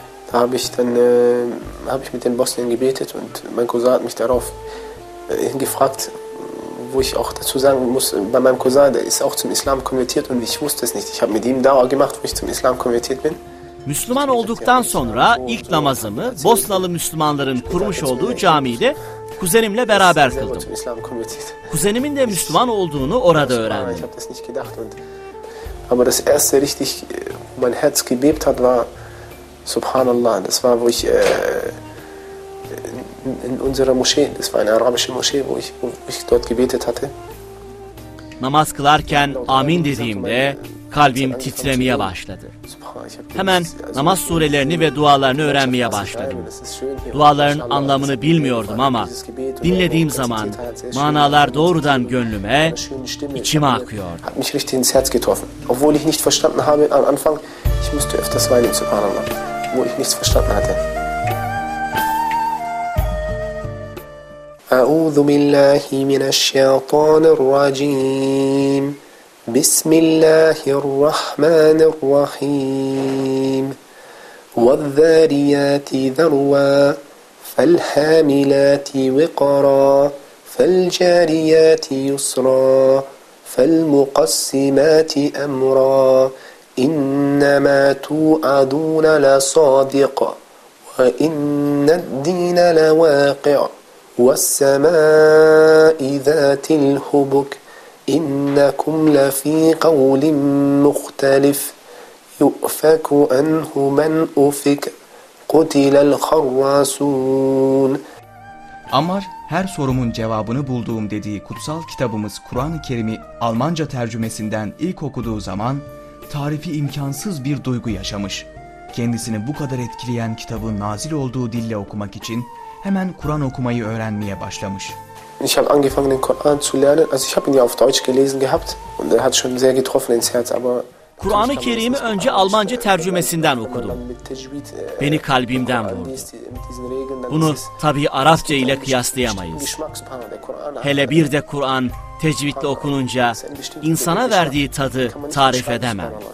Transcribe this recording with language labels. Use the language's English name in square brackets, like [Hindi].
[German] Da habe ich mit den Bosnien gebetet und mein Cousin hat mich darauf gefragt, wo ich auch dazu sagen muss, bei meinem Cousin, der ist auch zum Islam konvertiert und ich wusste es nicht. Ich habe mit ihm Dua gemacht, wo ich zum Islam konvertiert bin. [Turkish] Müslüman olduktan sonra ilk namazımı Bosnalı Müslümanların kurmuş olduğu camide kuzenimle beraber kıldım. Kuzenimin de Müslüman olduğunu orada öğrendim. [German] Ich habe das nicht gedacht. Aber das erste richtig mein Herz gebebt hat, war Subhanallah, das war, wo ich in unserer Moschee, das war eine arabische Moschee, wo ich dort gebetet hatte. [Turkish] Namaz kılarken amin dediğimde kalbim titremeye başladı. Hemen namaz surelerini ve dualarını öğrenmeye başladım. Duaların anlamını bilmiyordum ama dinlediğim zaman manalar doğrudan gönlüme, içime akıyor. [German] Hat mich richtig ins Herz getroffen. Obwohl ich nicht verstanden habe am Anfang, ich musste öfters weinen, Subhanallah. Wo ich nichts verstanden hatte. [Arabic] أعوذ بالله من الشيطان الرجيم بسم الله الرحمن الرحيم والذاريات ذروا فالحاملات وقرا فالجاريات يسرا فالمقسمات أمرا إنما توعدون لصادق وإن الدين لواقع والسماء ذات الحبك إنكم لفي قول مختلف يؤفك عنه من أفك قتل الخراسون. [Turkish] Amar, her sorumun cevabını bulduğum dediği kutsal kitabımız Kur'an-ı Kerim'i Almanca tercümesinden ilk okuduğu zaman tarifi imkansız bir duygu yaşamış. Kendisini bu kadar etkileyen kitabı nazil olduğu dille okumak için hemen Kur'an okumayı öğrenmeye başlamış. [German] Ich habe angefangen den Koran zu lernen. Also ich habe ihn ja auf Deutsch gelesen gehabt und er hat schon sehr getroffen ins Herz, aber [Turkish] Kur'an-ı Kerim'i önce Almanca tercümesinden okudum. Beni kalbimden vurdu. Bunu tabii Arapça ile kıyaslayamayız. Hele bir de Kur'an tecvidle okununca insana verdiği tadı tarif edemem.